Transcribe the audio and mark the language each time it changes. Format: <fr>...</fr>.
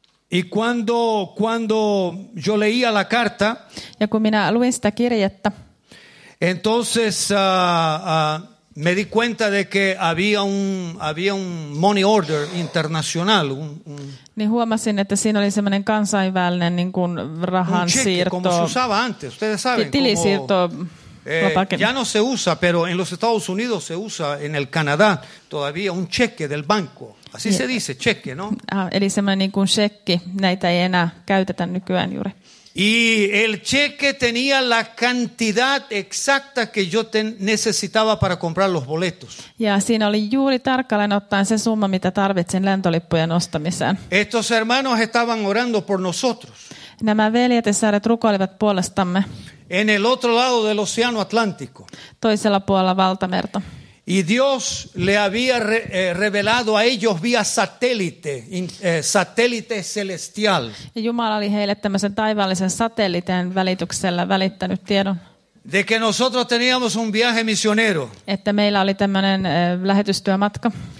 <es>Y cuando yo leía la carta,</es> <fi>ja kun minä luin sitä kirjettä,</fi> <es>entonces me di cuenta de que había un</es> <en>money order</en> <es>internacional,</es> <fi>niin huomasin, että siinä oli semmoinen kansainvälinen niin kuin rahan siirto.</fi> <es>Como se usaba antes, ustedes saben,</es> <fi>tilisiirto.</fi> <es>Ya no se usa, pero en los Estados Unidos se usa, en el Canadá todavía, un cheque del banco. Así se dice, cheque, ¿no?</es> <fi>Eli semmoinen niin kuin shekki, näitä ei enää käytetä nykyään juuri.</fi> <es>Y el cheque tenía la cantidad exacta que yo necesitaba para comprar los boletos.</es> <fi>Ja siinä oli juuri tarkalleen ottaen se summa, mitä tarvitsin lentolippujen ostamiseen.</fi> <es>Estos hermanos estaban orando por nosotros.</es> <fi>Nämä veljet ja sääret rukoilivat puolestamme.</fi> <es>En el otro lado del océano Atlántico.</es> <fi>Toisella puolella valtamerta.</fi> <es>Y Dios le había revelado a ellos vía satélite, satélite celestial.</es> <fi>Ja Jumala oli heille tämmöisen taivaallisen satelliten välityksellä välittänyt tiedon.</fi> <es>De que nosotros teníamos un viaje misionero.</es> <fi>Että meillä oli tämmöinen lähetystyömatka.</fi>